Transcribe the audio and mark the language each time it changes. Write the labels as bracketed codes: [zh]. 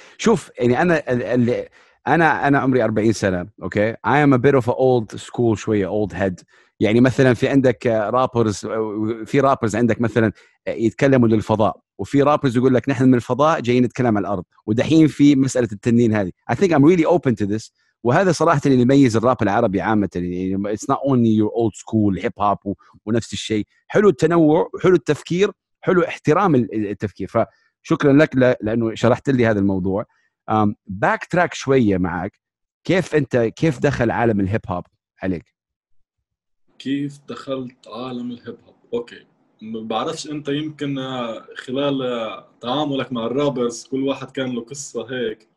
[ar] شوف يعني انا عمري 40 سنه، اوكي [en] I am a bit of old school, [ar] شويه [en] Old head. [ar] يعني مثلا في عندك رابرز، في رابرز عندك مثلا يتكلموا للفضاء، وفي رابرز يقول لك نحن من الفضاء جايين نتكلم على الارض، ودحين في مساله التنين هذه. [en] I think am really open to this, [ar] وهذا صراحة اللي يميز الراب العربي عامة. يعني [en] it's not only your old school hip hop [ar] ونفس الشيء. حلو التنوع، حلو التفكير، حلو احترام التفكير. فشكرا لك لأنه شرحت لي هذا الموضوع. [en] back track [ar] شوية معك، كيف دخل عالم الهيب هوب عليك؟ كيف دخلت عالم الهيب هوب؟ أوكي، بعرفش أنت، يمكن خلال تعاملك مع الرابرز كل واحد كان له قصة هيك،